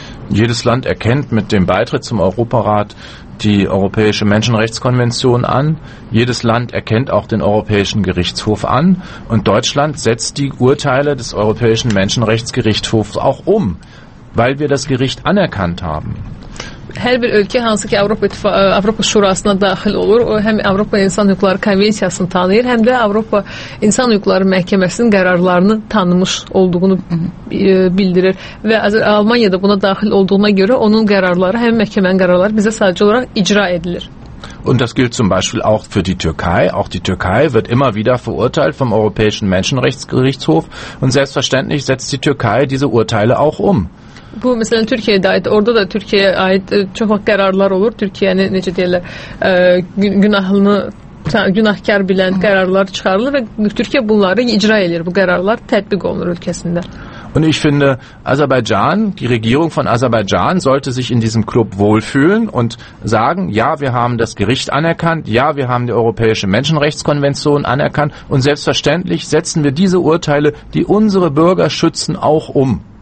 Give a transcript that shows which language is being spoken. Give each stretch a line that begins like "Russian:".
German: Jedes Land erkennt mit dem Beitritt zum Europarat die Europäische Menschenrechtskonvention an. Jedes Land erkennt auch den Europäischen Gerichtshof an. Und Deutschland setzt die Urteile des Europäischen Menschenrechtsgerichtshofs auch um, weil wir das Gericht anerkannt haben.
Azerbaijani: Hər bir ölkə hansı ki Avropa Şurasına daxil olur, o həm Avropa İnsan Hüquqları Konvensiyasını tanıyır, həm də Avropa İnsan Hüquqları Məhkəməsinin qərarlarını tanımış olduğunu bildirir. Və Almanya'da buna daxil olduğuna görə onun qərarları, həm məhkəmənin qərarları bizə sadəcə olaraq icra edilir.
German: Und das gilt zum Beispiel auch für die Türkei. Auch die Türkei wird immer wieder verurteilt vom Europäischen Menschenrechtsgerichtshof und selbstverständlich setzt die Türkei diese Urteile auch um.
Azerbaijani: Bu, məsələn, Türkiyəyə də aid, orada da Türkiyəyə aid çox vaxt qərarlar olur. Türkiyəni, necə deyirlər, günahını, günahkar bilən qərarlar çıxarılır və Türkiyə bunları icra edir, bu qərarlar tətbiq olunur ölkəsində.
German: Und ich finde, Aserbaidschan, die Regierung von Aserbaidschan, sollte sich in diesem Club wohlfühlen und sagen, ja, wir haben das Gericht anerkannt, ja, wir haben die Europäische Menschenrechtskonvention anerkannt und selbstverständlich setzen wir diese Urteile, die unsere Bürger schützen, auch um.